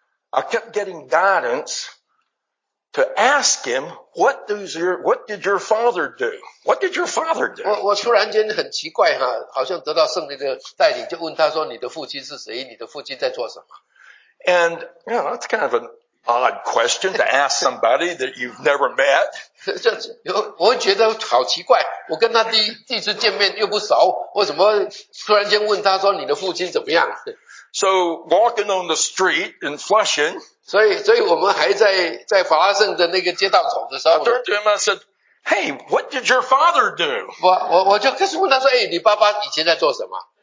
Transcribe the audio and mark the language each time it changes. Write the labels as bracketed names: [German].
[English] I kept getting guidance to ask him, what did your father do? [Chinese] 我突然间很奇怪啊, 好像得到圣灵的带领, 就问他说你的父亲是谁, 你的父亲在做什么? [English] And, you know, that's kind of an odd question to ask somebody that you've never met. [Chinese] 我会觉得好奇怪, 我跟他第一次见面又不熟, 我怎么突然间问他说你的父亲怎么样? [English] So walking on the street in Flushing, [Chinese] 所以我们还在法拉盛的那个街道走的时候, [English] I turned to him, I said, hey, what did your father do? [Chinese] 我就开始问他说, 哎, 你爸爸以前在做什么?